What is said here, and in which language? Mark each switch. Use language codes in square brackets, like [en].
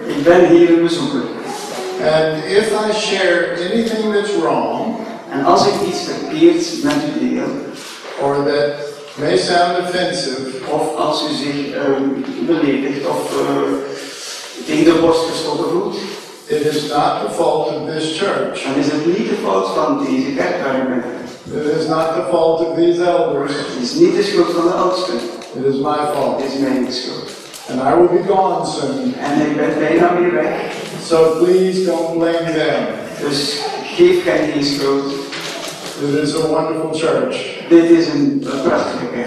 [nl] Ik ben hier een bezoeker. [en] And if I share anything that's wrong, [nl] en als ik iets verkeerd met u deel, [en] or that may sound offensive, [nl] of als u zich beledigd of tegen de borst gestoken voelt, [en] it is not the fault of this church. [nl] Dan is het niet de fout van deze kerk waar ik ben. [en] It is not the fault of these elders. [nl] Het is niet de schuld van de oudsten. [en] It is my fault. [nl] Het is mijn schuld. [en] And I will be gone soon. [nl] En ik ben bijna weer weg. [en] So please don't blame them. [nl] Dus geef geen schuld. [en] It is a wonderful church. [nl] Dit is een prachtige kerk.